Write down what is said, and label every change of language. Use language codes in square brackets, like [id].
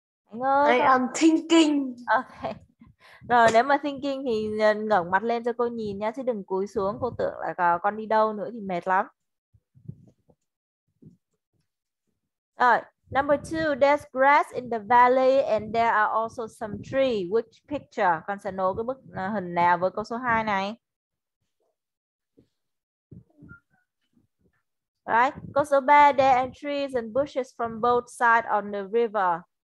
[vi] Anh ơi, [en] I am thinking. Ok. [vi] Rồi, nếu mà thinking thì ngẩng mặt lên cho cô nhìn nha. Chứ đừng cúi xuống, cô tưởng là con đi đâu nữa thì mệt lắm. Rồi, [en] number 2, there's grass in the valley and there are also some trees. Which picture? [vi] Con sẽ nối cái bức hình nào với câu số 2 này? [en] Right. [vi] Câu số 3, [en] there are trees and bushes from both sides on the river.